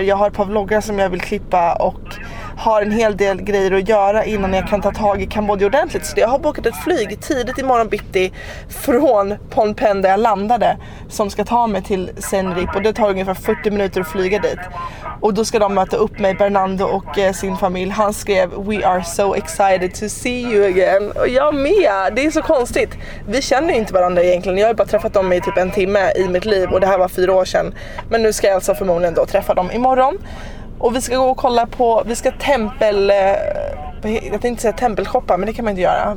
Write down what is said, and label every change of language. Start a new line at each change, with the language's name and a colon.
Swedish: Jag har ett par vloggar som jag vill klippa och har en hel del grejer att göra innan jag kan ta tag i Kambodja ordentligt. Så jag har bokat ett flyg tidigt imorgon bitti från Phnom Penh där jag landade, som ska ta mig till Siem Reap, och det tar ungefär 40 minuter att flyga dit. Och då ska de möta upp mig, Bernardo och sin familj. Han skrev,
English: we are so excited to see you again.
Swedish: Och jag med, det är så konstigt. Vi känner ju inte varandra egentligen. Jag har ju bara träffat dem i typ en timme i mitt liv. Och det här var 4 år sedan. Men nu ska jag alltså förmodligen då träffa dem imorgon. Och vi ska gå och kolla på, vi ska tempel, jag tänkte säga tempelshoppa, men det kan man inte göra.